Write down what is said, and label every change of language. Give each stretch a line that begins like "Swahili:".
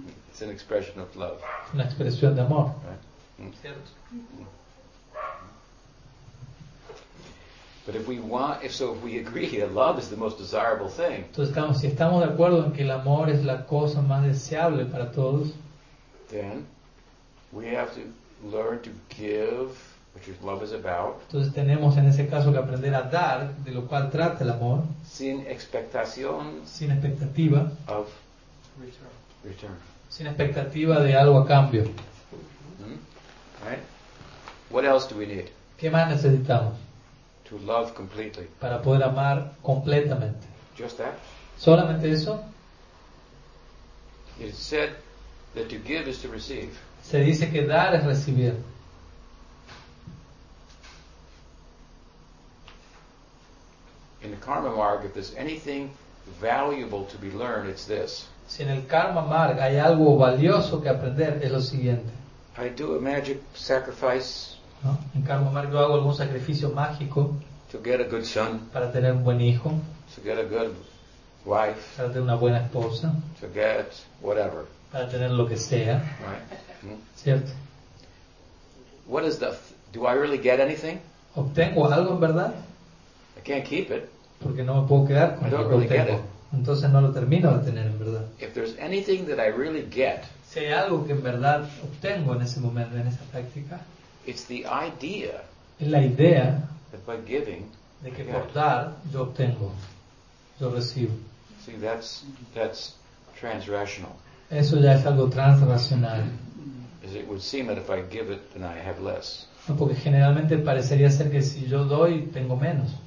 English: It's an expression of love.
Spanish: Una expresión de amor.
English: Right? But if we want, if we agree that love is the most desirable thing.
Spanish: Entonces, digamos, si estamos de acuerdo en que el amor es la cosa más deseable para todos.
English: Then we have to learn to give, which is love is about.
Spanish: Entonces tenemos en ese caso que aprender a dar, de lo cual trata el amor. Sin expectación. Sin expectativa.
English: Of return.
Spanish: Sin expectativa de algo a cambio.
English: Right. What else do we need?
Spanish: ¿Qué más necesitamos?
English: To love completely.
Spanish: Para poder amar completamente.
English: Just that.
Spanish: Solamente eso.
English: It is said that to give is to receive.
Spanish: Se dice que dar es recibir.
English: In the karma marg, if there's anything valuable to be learned, it's this.
Spanish: Si en el karma marg hay algo valioso que aprender, es lo siguiente.
English: I do a magic sacrifice.
Spanish: ¿No? En karma marg yo hago algún sacrificio mágico.
English: To get a good son.
Spanish: Para tener un buen hijo.
English: To get a good wife.
Spanish: Para tener una buena esposa.
English: To get whatever.
Spanish: Para tener lo que sea.
English: Right.
Spanish: ¿Cierto?
English: What is the do I really get anything?
Spanish: ¿Obtengo algo en verdad?
English: I can't keep it.
Spanish: Porque no me puedo quedar con lo que obtengo. Entonces no lo termino de tener en verdad.
English: If there's anything that I really get,
Spanish: si hay algo que en verdad obtengo en ese momento, en esa práctica,
English: it's the idea.
Spanish: Es la idea
English: that by giving,
Spanish: de que por dar yo obtengo, yo recibo.
English: See, that's transrational.
Spanish: Eso ya es algo transracional.
English: As it would seem that if I give it, then I have less.
Spanish: No, porque generalmente parecería ser que si yo doy, tengo menos.